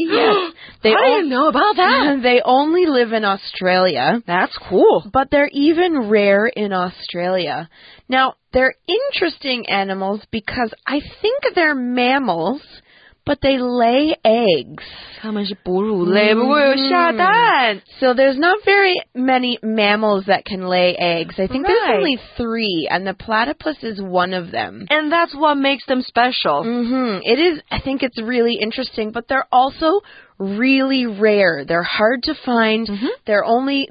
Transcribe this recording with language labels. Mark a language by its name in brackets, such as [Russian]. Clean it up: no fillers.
[English] Yes. I didn't know about that. They only live in Australia. That's cool. But they're even rare in Australia. Now, they're interesting animals because I think they're mammals, but they lay eggs. [Chinese] 他们是哺乳类, 不会有下蛋。 [English] So there's not very many mammals that can lay eggs. I think there's only three, and the platypus is one of them. And that's what makes them special. Mm-hmm. It is, I think it's really interesting, but they're also really rare. They're hard to find. Mm-hmm.